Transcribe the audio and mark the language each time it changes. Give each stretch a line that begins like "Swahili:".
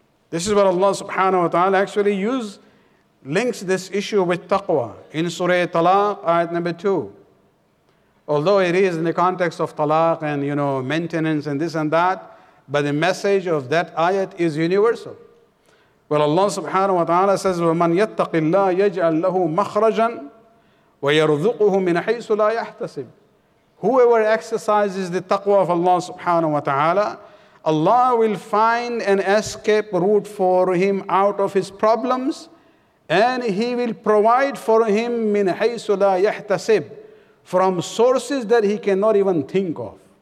English: This is what Allah subhanahu wa ta'ala actually links this issue with taqwa in Surah Talaq, ayat number 2. Although it is in the context of talaq and, you know, maintenance and this and that, but the message of that ayat is universal. Well, Allah subhanahu wa ta'ala says,
Arabic: وَمَنْ يَتَّقِ اللَّهِ يَجْعَلْ لَهُ مَخْرَجًا وَيَرْزُقُهُ مِنْ حَيْثُ لَا يَحْتَسِبْ.
English: Whoever exercises the taqwa of Allah subhanahu wa ta'ala, Allah will find an escape route for him out of his problems, and he will provide for him
Arabic: مِنْ حَيْثُ لَا يَحْتَسِبْ,
English: from sources that he cannot even think of.